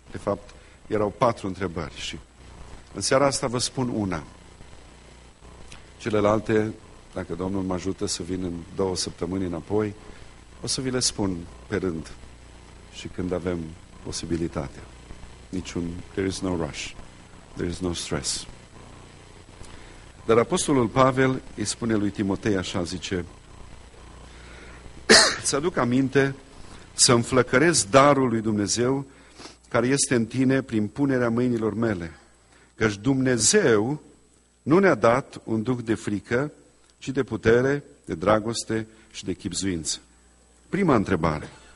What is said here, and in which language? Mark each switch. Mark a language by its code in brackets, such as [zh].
[ro] De fapt, erau 4 întrebări și în seara asta vă spun una. Celelalte, dacă Domnul mă ajută să vin în 2 săptămâni înapoi, o să vi le spun pe rând și când avem posibilitatea. [en] There is no rush, there is no stress. [ro] Dar Apostolul Pavel îi spune lui Timotei așa, zice, să aduc aminte să înflăcărez darul lui Dumnezeu care este în tine prin punerea mâinilor mele. Căci Dumnezeu nu ne-a dat un duh de frică, ci de putere, de dragoste și de chibzuință. Prima întrebare.